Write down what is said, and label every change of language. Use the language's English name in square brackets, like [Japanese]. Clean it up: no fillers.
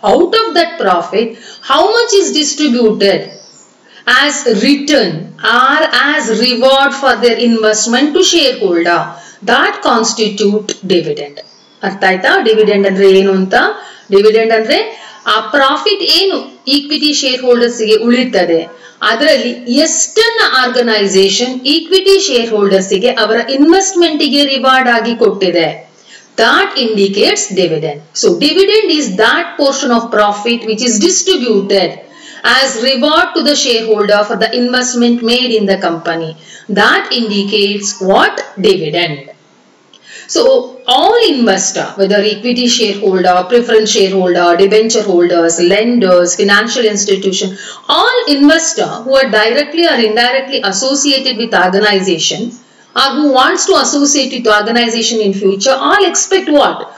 [English] Out of that profit how much is distributed as return or as reward for their investment to shareholder, that constitute dividend. [Kannada] ಅರ್ಥ ಆಯ್ತಾ? Dividend ಅಂದ್ರೆ ಏನು ಅಂತ. Dividend ಅಂದ್ರೆ ಆ profit ಏನು ಈಕ್ವಿಟಿ ಶೇರ್ ಹೋಲ್ಡರ್ಸ್ಗೆ ಉಳಿತದೆ, ಅದರಲ್ಲಿ ಎಷ್ಟನ್ನ ಆರ್ಗನೈಸೇಷನ್ ಈಕ್ವಿಟಿ ಶೇರ್ ಹೋಲ್ಡರ್ಸ್ಗೆ ಅವರ ಇನ್ವೆಸ್ಟ್ಮೆಂಟ್ಗೆ ರಿವಾರ್ಡ್ ಆಗಿ ಕೊಟ್ಟಿದೆ, ದಾಟ್ indicates dividend. [English] So dividend is that portion of profit which is distributed as reward to the share holder for the investment made in the company, that indicates what? Dividend. So all investor, whether equity shareholder, preference shareholder, debenture holders, lenders, financial institution, all investor who are directly or indirectly associated with organization or who wants to associate with organization in future, all expect what?